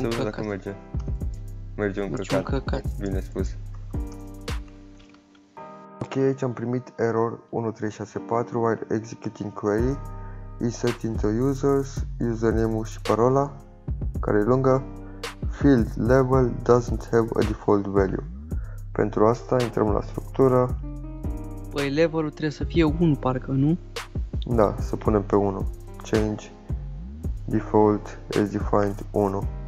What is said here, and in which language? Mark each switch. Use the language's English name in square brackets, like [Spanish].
[Romanian] nu știu dacă merge. Merge un Deci căcat. un căcat. Bine spus. Ok, aici am primit [English] error 1364 while executing query. Insert into users, [Romanian] username-ul și parola, care e lungă. [English] Field level doesn't have a default value. [Romanian] Pentru asta intrăm la structură. Păi levelul trebuie să fie 1, parcă, nu? Da, să punem pe 1. [English] Change default as defined 1.